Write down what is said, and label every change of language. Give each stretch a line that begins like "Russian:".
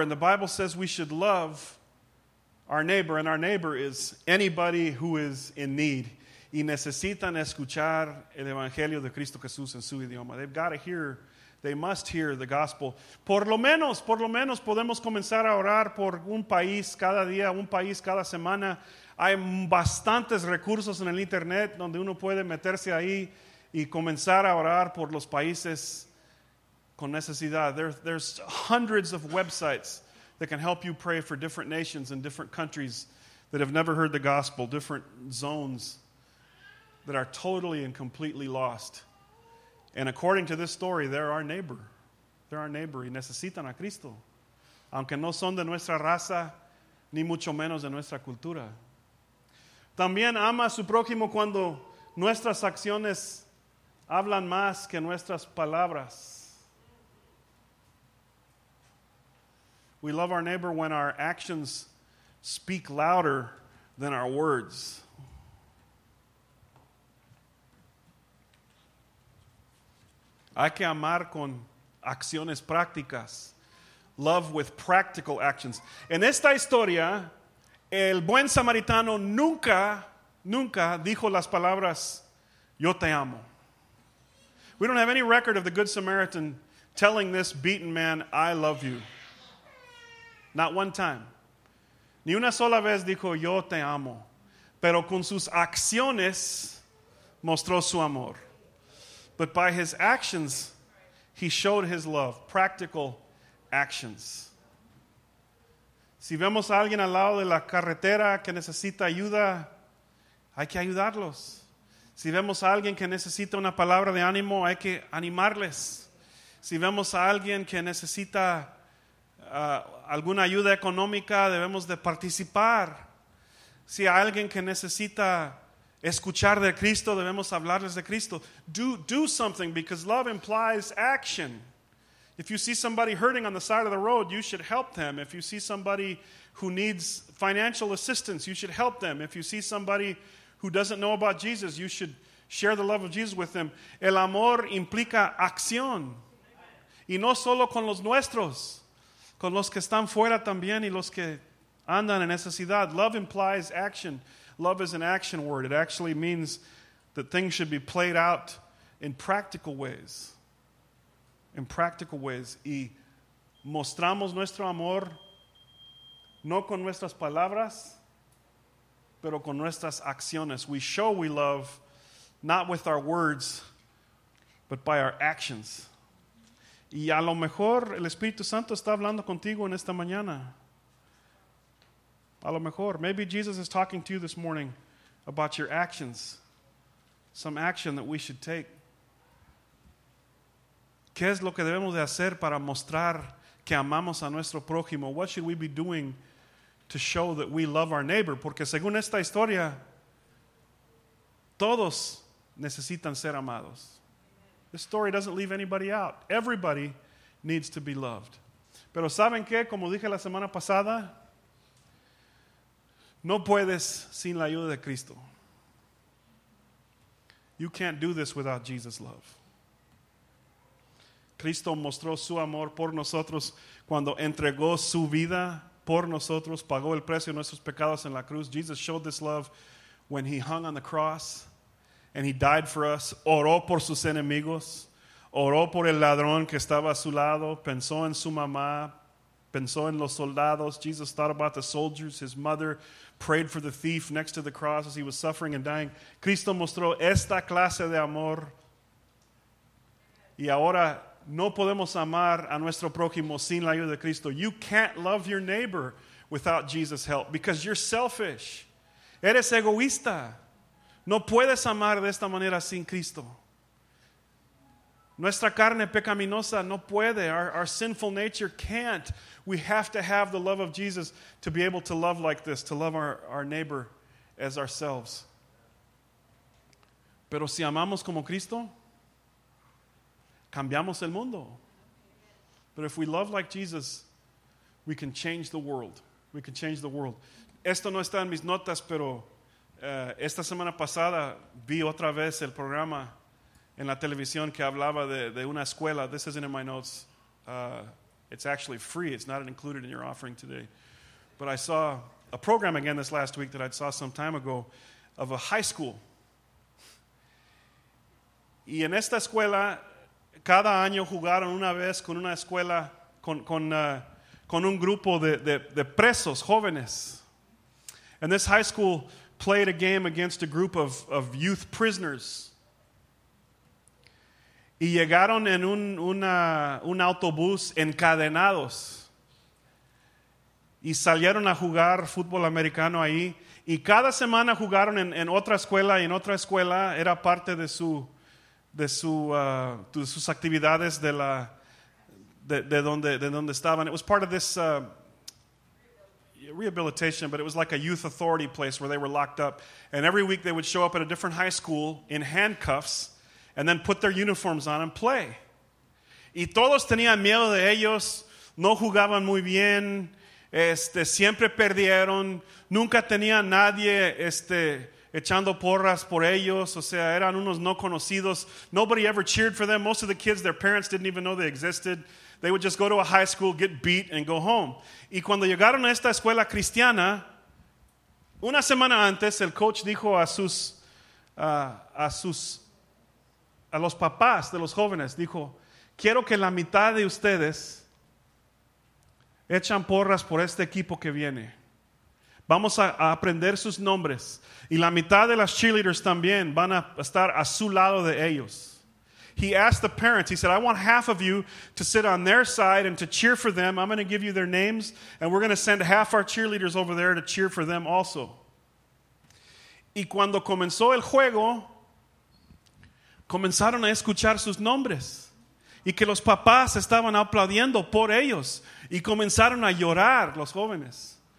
English: And the Bible says we should love our neighbor. And our neighbor is anybody who is in need.
Spanish: Y necesitan escuchar el Evangelio de Cristo Jesús en su idioma.
English: They've got to hear, they must hear the gospel.
Spanish: Por lo menos podemos comenzar a orar por un país cada día, un país cada semana. Hay bastantes recursos en el internet donde uno puede meterse ahí y comenzar a orar por los países con necesidad.
English: There's hundreds of websites that can help you pray for different nations and different countries that have never heard the gospel, different zones that are totally and completely lost. And according to this story, they're our neighbor. They're our neighbor.
Spanish: Y necesitan a Cristo. Aunque no son de nuestra raza, ni mucho menos de nuestra cultura. También ama a su prójimo cuando nuestras acciones hablan más que nuestras palabras.
English: We love our neighbor when our actions speak louder than our words.
Spanish: Hay que amar con acciones prácticas.
English: Love with practical actions.
Spanish: En esta historia, el buen samaritano nunca, nunca dijo las palabras, yo te amo.
English: We don't have any record of the good Samaritan telling this beaten man, I love you. Not one time.
Spanish: Ni una sola vez dijo, yo te amo. Pero con sus acciones mostró su amor.
English: But by his actions, he showed his love. Practical actions.
Spanish: Si vemos a alguien al lado de la carretera que necesita ayuda, hay que ayudarlos. Si vemos a alguien que necesita una palabra de ánimo, hay que animarles. Si vemos a alguien que necesita alguna ayuda económica, debemos de participar. Si a alguien que necesita escuchar de Cristo, debemos hablarles de Cristo.
English: Do something, because love implies action. If you see somebody hurting on the side of the road, you should help them. If you see somebody who needs financial assistance, you should help them. If you see somebody who doesn't know about Jesus, you should share the love of Jesus with them.
Spanish: El amor implica acción. Y no solo con los nuestros, con los que están fuera también y los que andan en necesidad.
English: Love implies action. Love is an action word. It actually means that things should be played out in practical ways. In practical ways.
Spanish: Y mostramos nuestro amor no con nuestras palabras, pero con nuestras acciones.
English: We show we love not with our words, but by our actions.
Spanish: Y a lo mejor el Espíritu Santo está hablando contigo en esta mañana. A lo mejor,
English: maybe Jesus is talking to you this morning about your actions. Some action that we should take.
Spanish: ¿Qué es lo que debemos de hacer para mostrar que amamos a nuestro prójimo?
English: What should we be doing to show that we love our neighbor?
Spanish: Porque según esta historia, todos necesitan ser amados.
English: This story doesn't leave anybody out. Everybody needs to be loved.
Spanish: Pero ¿saben qué? Como dije la semana pasada, no puedes sin la ayuda de Cristo.
English: You can't do this without Jesus' love.
Spanish: Cristo mostró su amor por nosotros cuando entregó su vida por nosotros, pagó el precio de nuestros pecados en la cruz.
English: Jesus showed this love when he hung on the cross and he died for us.
Spanish: Oró por sus enemigos. Oró por el ladrón que estaba a su lado. Pensó en su mamá. Pensó en los soldados.
English: Jesus thought about the soldiers. His mother prayed for the thief next to the cross as he was suffering and dying.
Spanish: Cristo mostró esta clase de amor. Y ahora no podemos amar a nuestro prójimo sin la ayuda de Cristo.
English: You can't love your neighbor without Jesus' help because you're selfish.
Spanish: Eres egoísta. No puedes amar de esta manera sin Cristo. Nuestra carne pecaminosa no puede.
English: Our sinful nature can't. We have to have the love of Jesus to be able to love like this, to love our neighbor as ourselves.
Spanish: Pero si amamos como Cristo, cambiamos el mundo.
English: But if we love like Jesus, we can change the world. We can change the world.
Spanish: Esto no está en mis notas, pero esta semana pasada vi otra vez el programa en la televisión que hablaba de una escuela.
English: This isn't in my notes. It's actually free. It's not included in your offering today. But I saw a program again this last week that I saw some time ago of a high school.
Spanish: Y en esta escuela, cada año jugaron una vez con una escuela con un grupo de presos, jóvenes.
English: And this high school played a game against a group of youth prisoners.
Spanish: Y llegaron en un autobús encadenados. Y salieron a jugar fútbol americano ahí. Y cada semana jugaron en otra escuela y en otra escuela. Era parte de sus actividades de donde estaban.
English: It was part of this rehabilitation, but it was like a youth authority place where they were locked up. And every week they would show up at a different high school in handcuffs and then put their uniforms on and play.
Spanish: Y todos tenían miedo de ellos, no jugaban muy bien, siempre perdieron, nunca tenía nadie echando porras por ellos, o sea, eran unos no conocidos.
English: Nobody ever cheered for them. Most of the kids, their parents didn't even know they existed. They would just go to a high school, get beat, and go home.
Spanish: Y cuando llegaron a esta escuela cristiana, una semana antes, el coach dijo a los papás de los jóvenes, dijo, quiero que la mitad de ustedes echan porras por este equipo que viene. Vamos a aprender sus nombres. Y la mitad de las cheerleaders también van a estar a su lado de ellos.
English: He asked the parents, he said, I want half of you to sit on their side and to cheer for them. I'm going to give you their names and we're going to send half our cheerleaders over there to cheer for them also.
Spanish: Y cuando comenzó el juego, comenzaron a escuchar sus nombres y que los papás estaban aplaudiendo por ellos y comenzaron a llorar los jóvenes.